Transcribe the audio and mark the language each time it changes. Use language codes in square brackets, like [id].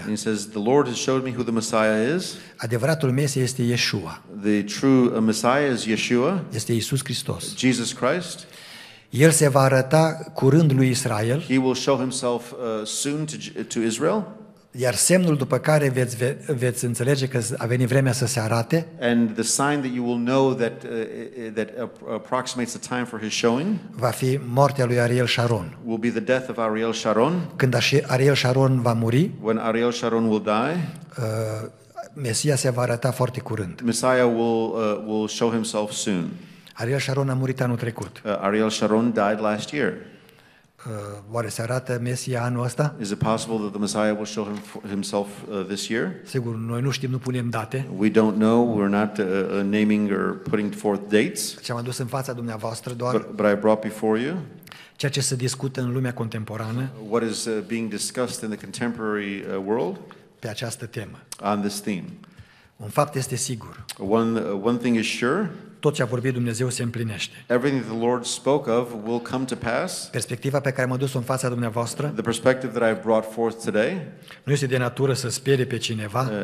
[en] And he says, the Lord has showed me who the Messiah is. [ro] Adevăratul Mesia este Yeshua. [en] The true Messiah is Yeshua. [ro] Este Iisus Hristos. [en] Jesus Christ. [ro] El se va arăta curând lui Israel. [en] He will show himself soon to Israel. [ro] Iar semnul după care veți înțelege că a venit vremea să se arate. [en] And the sign that you will know that approximates the time for his showing. [ro] Va fi moartea lui Ariel Sharon. [en] Will be the death of Ariel Sharon. [ro] Când Ariel Sharon va muri. [en] When Ariel Sharon will die. [ro] Mesia se va arăta foarte curând. [en] Messiah will show himself soon. [ro] Ariel Sharon a murit anul trecut. [en] Ariel Sharon died last year. [ro] Oare se arată Mesia anul ăsta? [en] Is it possible that the Messiah will show himself this year? [ro] Sigur, noi nu știm, nu punem date. [en] We don't know, we're not naming or putting forth dates. [ro] Ce am adus în fața dumneavoastră doar. [en] But I brought before you. [ro] Ceea ce se discută în lumea contemporană. [en] What is being discussed in the contemporary world? [ro] Pe această temă. [en] On this theme. [ro] Un fapt este sigur. [en] One thing is sure. [ro] Tot ce a vorbit Dumnezeu se împlinește. [en] Everything the Lord spoke of will come to pass. [ro] Perspectiva pe care am adus-o în fața dumneavoastră. [en] The perspective that I've brought forth today. [ro] Nu este de natură să sperie pe cineva.